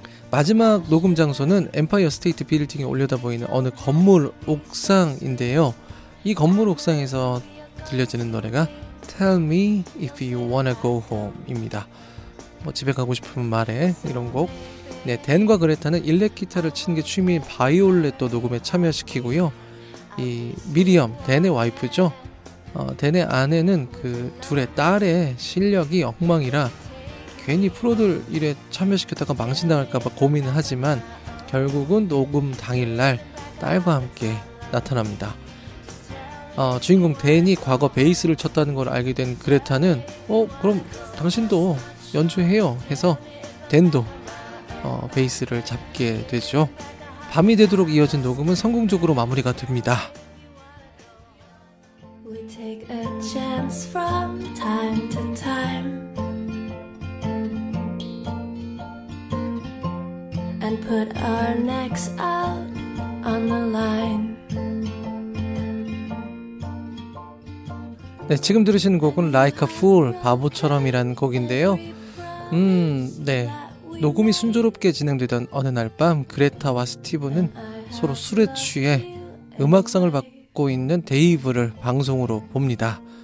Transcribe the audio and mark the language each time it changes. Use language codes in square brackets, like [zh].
[ko] 마지막 녹음 장소는 엠파이어 스테이트 빌딩에 올려다보이는 어느 건물 옥상인데요. 이 건물 옥상에서 들려지는 노래가 Tell me if you wanna go home 입니다. 뭐 집에 가고 싶으면 말해 이런 곡. 네, 댄과 그레타는 일렉 기타를 치는 게 취미인 바이올렛도 녹음에 참여시키고요. 이 미리엄, 댄의 와이프죠. 댄의 아내는 그 둘의 딸의 실력이 엉망이라 괜히 프로들 일에 참여시켰다가 망신당할까봐 고민을 하지만 결국은 녹음 당일날 딸과 함께 나타납니다. 주인공 댄이 과거 베이스를 쳤다는 걸 알게 된 그레타는 그럼 당신도 연주해요 해서 댄도 베이스를 잡게 되죠. 밤이 되도록 이어진 녹음은 성공적으로 마무리가 됩니다. [en] We take a chance from time to time. And put our necks out on the line. [ko] 네, 지금 들으시는 곡은 Like a Fool, 바보처럼이라는 곡인데요. 네. 녹음이 순조롭게 진행되던 어느 날 밤, 그레타와 스티브는 서로 술에 취해 음악상을 받고 있는 데이브를 방송으로 봅니다.